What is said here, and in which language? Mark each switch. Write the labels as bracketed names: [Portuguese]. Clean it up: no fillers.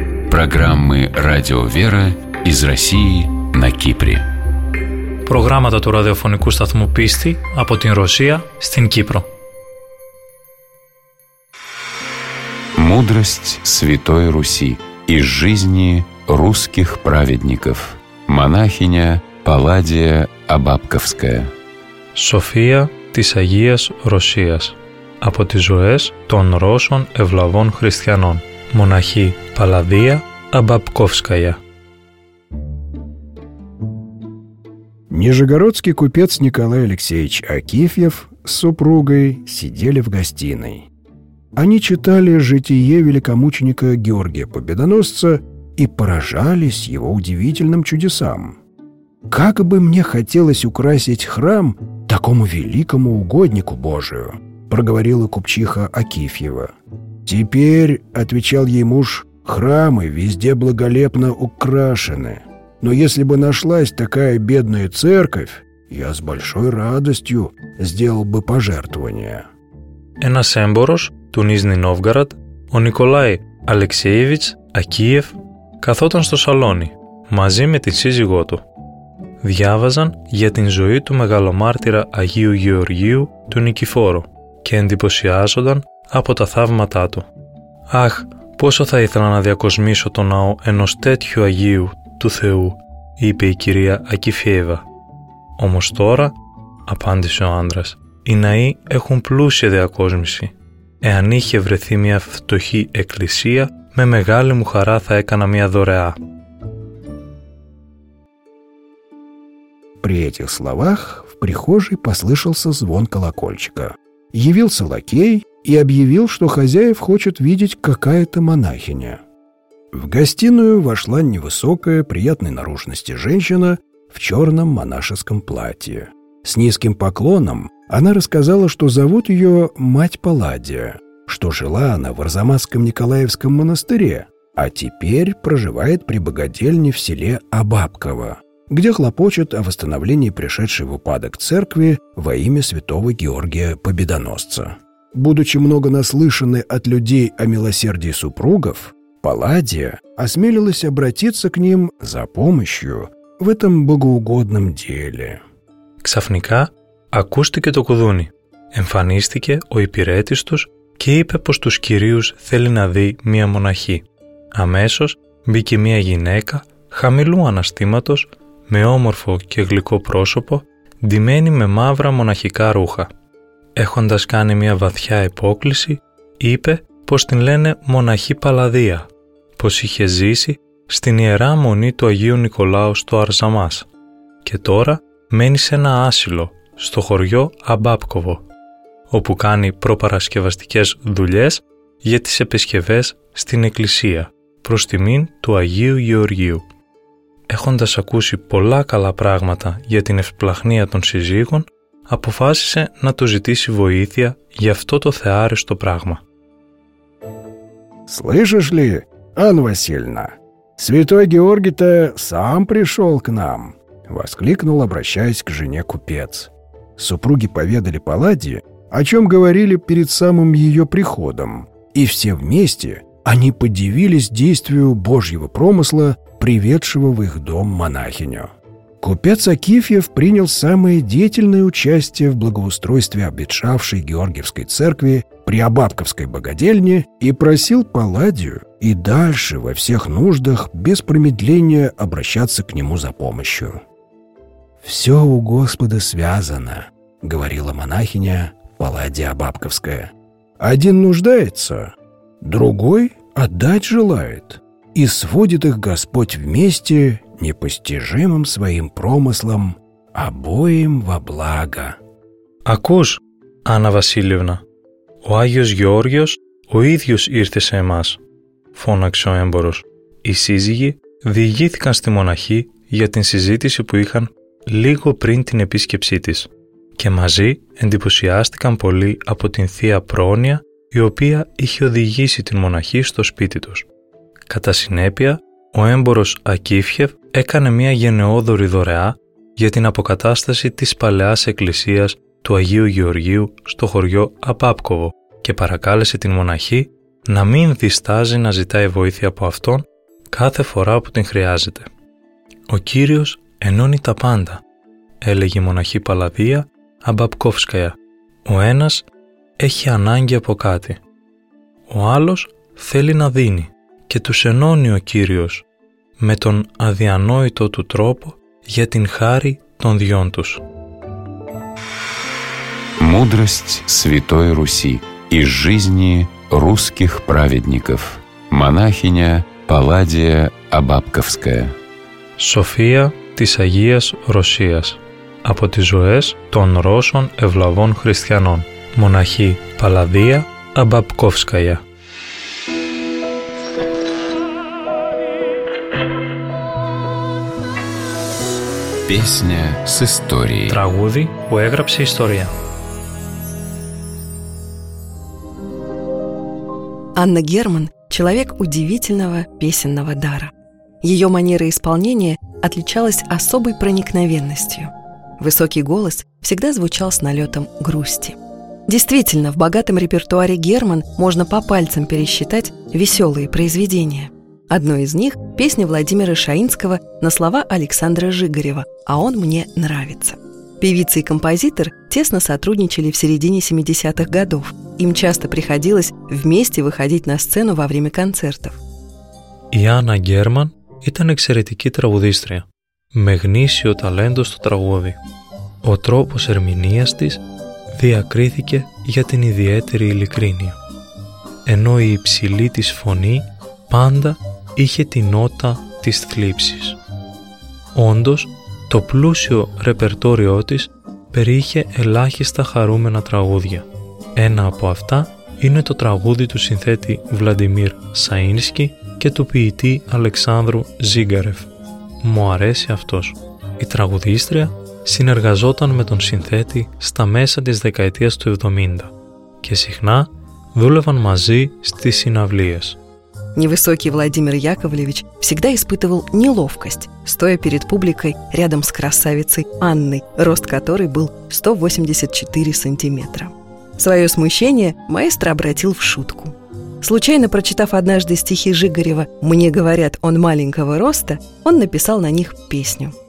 [Russian] программы «Радио Вера» из России на Кипре. [Greek] Προγράμματα του ραδιοφωνικού σταθμού Πίστη από την Ρωσία στην Κύπρο. [Russian] Мудрость Святой Руси из жизни русских праведников. Монахиня Палладия Абабковская. [Greek] София της Αγίας Ρωσίας. Από τις ζωές των Ρώσων ευλαβών χριστιανών. Μοναχή Παλαδία Αμπαπκόφσκαια. [Russian] Нижегородский купец Николай Алексеевич Акифьев с супругой сидели в гостиной. Они читали житие великомученика Георгия Победоносца и поражались его удивительным чудесам. «Как бы мне хотелось украсить храм такому великому угоднику Божию», проговорила купчиха Акифьева. «Теперь, — отвечал ей муж, — храмы везде благолепно украшены. Но если бы нашлась такая бедная церковь, я с большой радостью сделал бы пожертвование». [Greek] Ένας έμπορος του Νίζνη Νόβγαραντ, ο Νικολάη Αλεξέιβιτς Ακίεφ, καθόταν στο σαλόνι μαζί με την σύζυγό του. Διάβαζαν για την ζωή του μεγαλομάρτυρα Αγίου Γεωργίου του Νικηφόρου και εντυπωσιάζονταν από τα θαύματά του. «Αχ, πόσο θα ήθελα να διακοσμήσω τον ναό ενός τέτοιου Αγίου του Θεού», είπε η κυρία Ακιφιέβα. «Όμως τώρα», απάντησε ο άντρας, «οι ναοί έχουν πλούσια διακόσμηση. Εάν είχε βρεθεί μια φτωχή εκκλησία, με μεγάλη μου χαρά θα έκανα μια δωρεά». [Russian] При этих словах в прихожей послышался звон колокольчика. Явился лакей и объявил, что хозяев хочет видеть какая-то монахиня. В гостиную вошла невысокая, приятной наружности женщина в черном монашеском платье. С низким поклоном она рассказала, что зовут ее мать Палладия, что жила она в Арзамасском Николаевском монастыре, а теперь проживает при богадельне в селе Абабково, где хлопочет о восстановлении пришедшей в упадок церкви во имя святого Георгия Победоносца. Будучи много наслышанной от людей о милосердии супругов, Палладия осмелилась обратиться к ним за помощью в этом богоугодном деле. [Greek] Ξαφνικά ακούστηκε το κουδούνι. Εμφανίστηκε ο υπηρέτης τους και είπε πως τους κυρίους θέλει να δει μία μοναχή. Αμέσως μπήκε μία γυναίκα χαμηλού αναστήματος, με όμορφο και γλυκό πρόσωπο, ντυμένη με μαύρα μοναχικά ρούχα. Έχοντας κάνει μία βαθιά υπόκληση, είπε πως την λένε μοναχή Παλαδία, πως είχε ζήσει στην ιερά μονή του Αγίου Νικολάου στο Αρζαμάς και τώρα μένει σε ένα άσυλο στο χωριό Αμπάπκοβο, όπου κάνει προπαρασκευαστικές δουλειές για τις επισκευές στην εκκλησία προς τιμήν του Αγίου Γεωργίου. Έχοντας ακούσει πολλά καλά πράγματα για την ευσπλαχνία των συζύγων, αποφάσισε να του ζητήσει βοήθεια για αυτό το θεάριστο πράγμα. [Russian] «Слышишь ли, Анна Васильевна, святой Георгий-то сам пришел к нам», — воскликнул, обращаясь к жене купец. Супруги поведали Палладии, о чем говорили перед самым ее приходом, и все вместе они подивились действию Божьего промысла, приведшего в их дом монахиню. Купец Акифьев принял самое деятельное участие в благоустройстве обветшавшей Георгиевской церкви при Абабковской богадельне и просил Палладию и дальше во всех нуждах без промедления обращаться к нему за помощью. «Все у Господа связано», — говорила монахиня Палладия Абабковская. «Один нуждается, другой отдать желает, и сводит их Господь вместе непостижимым своим промыслом обоим во благо». [Greek] «Ακούς, Анна Васильевна, ο Άγιος Γεώργιος ο ίδιος ήρθε σε εμάς», φώναξε ο έμπορος. Οι σύζυγοι διηγήθηκαν στη μοναχή για την συζήτηση που είχαν λίγο πριν την επίσκεψή της και μαζί εντυπωσιάστηκαν πολύ από την θεία πρόνοια η οποία είχε οδηγήσει την μοναχή στο σπίτι τους. Κατά συνέπεια, ο έμπορος Ακίφιεφ έκανε μια γενναιόδωρη δωρεά για την αποκατάσταση της παλαιάς εκκλησίας του Αγίου Γεωργίου στο χωριό Απάπκοβο και παρακάλεσε την μοναχή να μην διστάζει να ζητάει βοήθεια από αυτόν, κάθε φορά που την χρειάζεται. «Ο Κύριος ενώνει τα πάντα», έλεγε η μοναχή Παλαδία Αμπαπκόφσκαια. «Ο ένας έχει ανάγκη από κάτι. Ο άλλος θέλει να δίνει και τους ενώνει ο Κύριος με τον αδιανόητο του τρόπο για την χάρη των δυών τους». [Russian] Мудрость Святой Руси из жизни русских праведников. Монахиня Палладия Абабковская. [Greek] София της Αγίας Ρωσίας. Από τις ζωές των Ρώσων ευλαβών χριστιανών. Μοναχή Παλαδία Αμπαπκόφσκαια. [Russian] Песня с историей. [Greek] Τραγούδι που έγραψε ιστορία. [Russian] Анна Герман – человек удивительного песенного дара. Ее манера исполнения отличалась особой проникновенностью. Высокий голос всегда звучал с налетом грусти. Действительно, в богатом репертуаре Герман можно по пальцам пересчитать веселые произведения. Одно из них – песня Владимира Шаинского на слова Александра Жигарева «А он мне нравится». Певица и композитор тесно сотрудничали в середине 70-х годов. Им часто приходилось вместе выходить на сцену во время концертов. [Greek] Η Άννα Γκέρμαν ήταν εξαιρετική τραγουδίστρια, με γνήσιο ταλέντο στο τραγούδι. Ο τρόπος ερμηνείας της διακρίθηκε για την ιδιαίτερη ειλικρίνεια, ενώ η υψηλή της φωνή πάντα είχε την νότα της θλίψης. Όντως, το πλούσιο ρεπερτόριό της περιείχε ελάχιστα χαρούμενα τραγούδια. Ένα από αυτά είναι το τραγούδι του συνθέτη Βλαντιμίρ Σαΐνσκι και του ποιητή Αλεξάνδρου Ζίγκαρεφ. Μου αρέσει αυτός. Η τραγουδίστρια συνεργαζόταν με τον συνθέτη στα μέσα της δεκαετίας του 70 και συχνά δούλευαν μαζί στις συναυλίες. [Russian] Невысокий Владимир Яковлевич всегда испытывал неловкость, стоя перед публикой рядом с красавицей Анной, рост которой был 184 сантиметра. Свое смущение маэстро обратил в шутку. Случайно прочитав однажды стихи Жигарева «Мне говорят, он маленького роста», он написал на них песню.